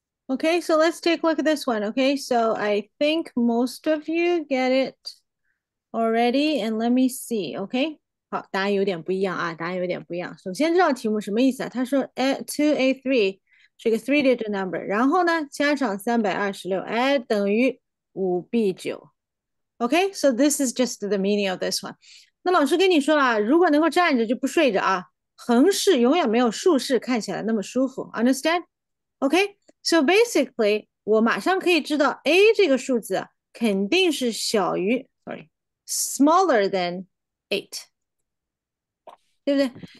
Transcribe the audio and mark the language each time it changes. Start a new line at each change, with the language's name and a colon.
English: Okay, so let's take a look at this one. Okay, so I think most of you get it already, and let me see.
Chinese: Okay, 好，答案有点不一样啊，答案有点不一样。首先知道题目什么意思啊？他说 2A3 是个
English: three-digit number，
Chinese: 然后呢加上326，哎，等于 5B9。
English: Okay, so this is just the meaning of this one.
Chinese: 那老师跟你说啊，如果能够站着就不睡着啊，横式永远没有竖式看起来那么舒服。
English: Understand? Okay. So basically,
Chinese: 我马上可以知道 A 这个数字肯定是小于
English: smaller than
Chinese: 8，对不对？